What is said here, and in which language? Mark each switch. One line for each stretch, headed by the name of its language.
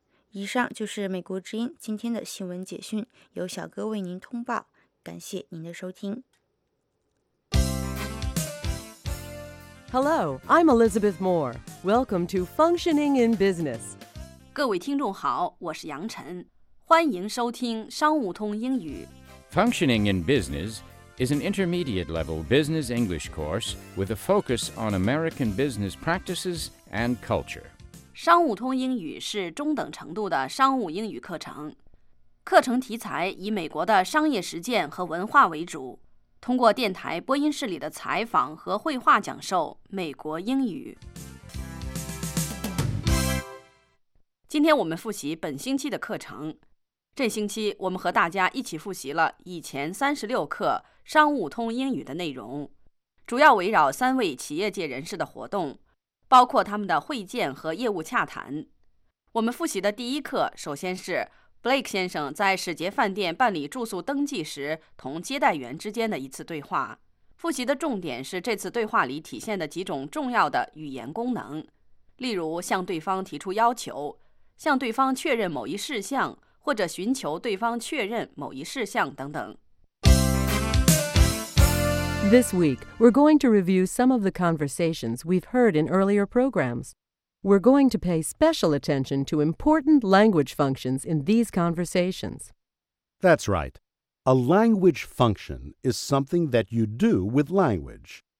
Chinese: 以上就是美国之音今天的新闻简讯，由小哥为您通报，感谢您的收听。
English: Hello, I'm Elizabeth Moore. Welcome to Functioning in Business.
Chinese: 各位听众好，我是杨晨，欢迎收听商务通英语。
English: Functioning in Business is an intermediate-level business English course with a focus on American business practices and culture.
Chinese: 商务通英语是中等程度的商务英语课程，课程题材以美国的商业实践和文化为主，通过电台播音室里的采访和绘画讲授美国英语。今天我们复习本星期的课程，这星期我们和大家一起复习了以前36课商务通英语的内容，主要围绕三位企业界人士的活动，包括他们的会见和业务洽谈。我们复习的第一课首先是Blake 先生在史杰饭店办理住宿登记时同接待员之间的一次对话。复习的重点是这次对话里体现的几种重要的语言功能，例如向对方提出要求，向对方确认某一事项，或者寻求对方确认某一事项等等。
English: This week, we're going to review some of the conversations we've heard in earlier programs. We're going to pay special attention to important language functions in these conversations. That's right. A language function is something that you do with language.